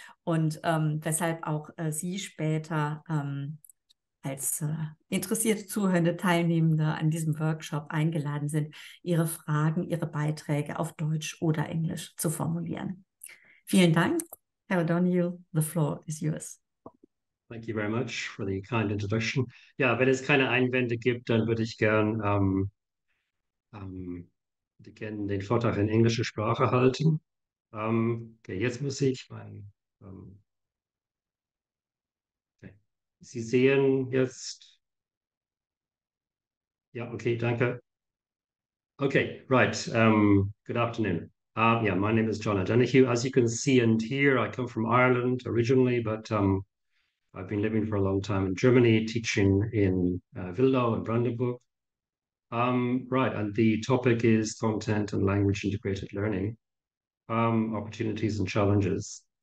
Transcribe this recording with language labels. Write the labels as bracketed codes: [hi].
[de] Und weshalb auch Sie später als interessierte Zuhörende, Teilnehmende an diesem Workshop eingeladen sind, Ihre Fragen, Ihre Beiträge auf Deutsch oder Englisch zu formulieren. Vielen Dank, Herr O'Donoghue. [en] The floor is yours. Thank you very much for the kind introduction. [de] Ja, wenn es keine Einwände gibt, dann würde ich gern den Vortrag in englischer Sprache halten. Okay, jetzt muss ich mein... Sie sehen jetzt, ja, okay, danke. [en] Okay, right, good afternoon. Yeah, my name is John O'Donoghue. As you can see and hear, I come from Ireland originally, but I've been living for a long time in Germany, teaching in Wildau and Brandenburg. Right, and the topic is content and language integrated learning, opportunities and challenges.